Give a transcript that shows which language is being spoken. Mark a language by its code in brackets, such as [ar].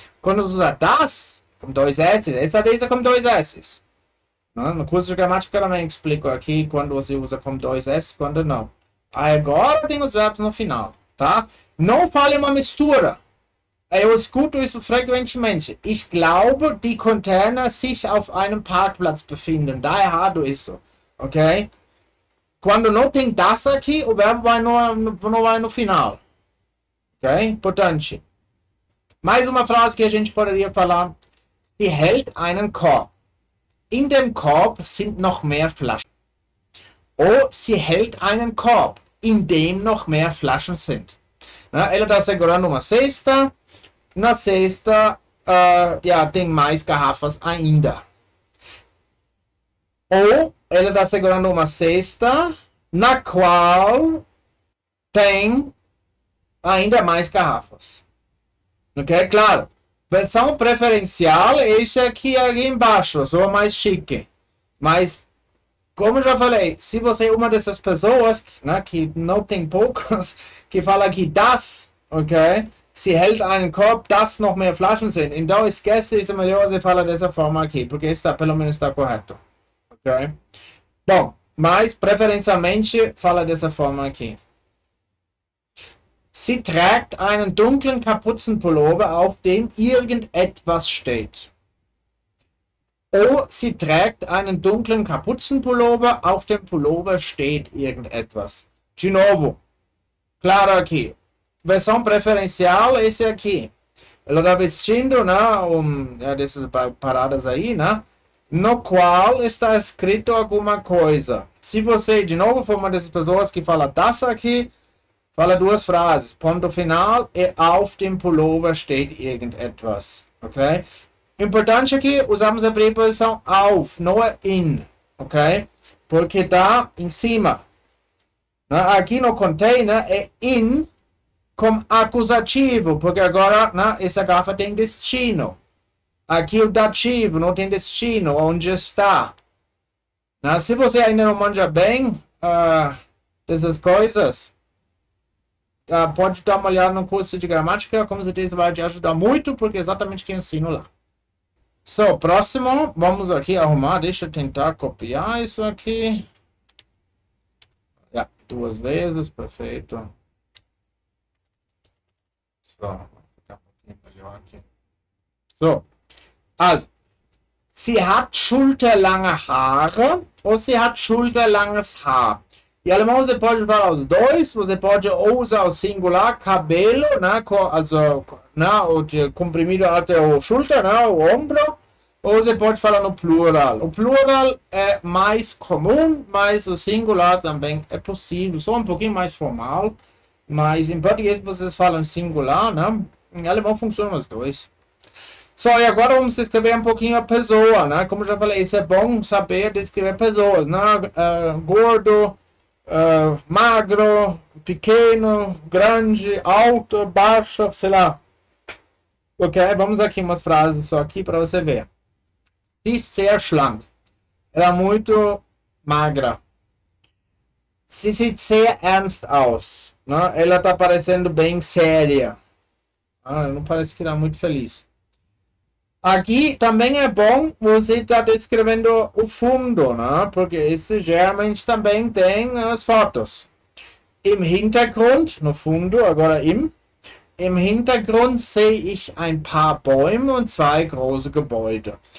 [pt] Quando usa das, com dois S, essa vez é com dois S. No curso de gramática, eu também explico aqui quando você usa com dois S, quando não. Aí agora tem os verbos no final, tá? Não fale uma mistura. Eu escuto isso frequentemente. [de] Ich glaube, die Container sich auf einem Parkplatz befinden. [pt] Da errado isso, ok? Quando não tem das aqui, o verbo vai não vai no final. Ok? Importante. Mais uma frase que a gente poderia falar. [de] Sie hält einen Korb. In dem Korb sind noch mehr Flaschen. [pt] Ou [de] sie hält einen Korb, in dem noch mehr Flaschen sind. [pt] Ela está segurando uma cesta. Na cesta, tem mais garrafas ainda. Ou ela está segurando uma cesta na qual tem ainda mais garrafas. Ok? Claro. Versão preferencial, esse aqui ali embaixo, sou mais chique. Mas, como já falei, se você é uma dessas pessoas, né, que não tem poucas, que fala aqui das, ok? [de] Se hält einen Korb, das noch mehr Flaschen sind. [pt] Então esquece, isso é melhor você falar dessa forma aqui, porque está pelo menos está correto. Okay. Bom, mas preferencialmente fala dessa forma aqui. [de] Sie trägt einen dunklen Kapuzenpullover, auf dem irgendetwas steht. Oh, sie trägt einen dunklen Kapuzenpullover, auf dem Pullover steht irgendetwas. [pt] De novo. Claro aqui. Versão preferencial, esse aqui. Ela está vestindo, né, dessas paradas aí, né? No qual está escrito alguma coisa. Se você, de novo, for uma dessas pessoas que fala das aqui, fala duas frases. Ponto final e [de] auf dem Pullover steht irgendetwas. [pt] Ok? Importante aqui, usamos a preposição auf, não é in. Ok? Porque está em cima. Aqui no container é in com acusativo, porque agora, né, essa garrafa tem destino. Aqui o dativo, não tem destino, onde está. Se você ainda não manja bem dessas coisas, pode dar uma olhada no curso de gramática, com certeza vai te ajudar muito, porque é exatamente quem ensino lá. So, próximo, vamos aqui arrumar, deixa eu tentar copiar isso aqui. Duas vezes, perfeito. So, vou ficar um pouquinho melhor aqui. So. [de] Also, sie hat schulterlange Haare [pt] ou [de] sie hat schulterlanges Haar. [pt] Em alemão você pode usar os dois, você pode ou usar o singular, cabelo, né, o de comprimido até o shoulder, né, o ombro, ou você pode falar no plural. O plural é mais comum, mas o singular também é possível, só um pouquinho mais formal, mas em português vocês falam singular, né, em alemão funcionam os dois. Só, e agora vamos descrever um pouquinho a pessoa, né? Como já falei, isso é bom saber descrever pessoas, né? Gordo, magro, pequeno, grande, alto, baixo, sei lá. Ok, vamos aqui umas frases só aqui para você ver. [de] Sie ist sehr schlank. [pt] Ela é muito magra. [de] Sie sieht sehr ernst aus. [pt] Né? Ela tá parecendo bem séria. Não parece que ela é muito feliz. Aqui também é bom você estar descrevendo o fundo, né? Porque esse geralmente também tem as fotos. [de] Im Hintergrund, [pt] no fundo, agora [de] im Hintergrund sehe ich ein paar Bäume und zwei große Gebäude.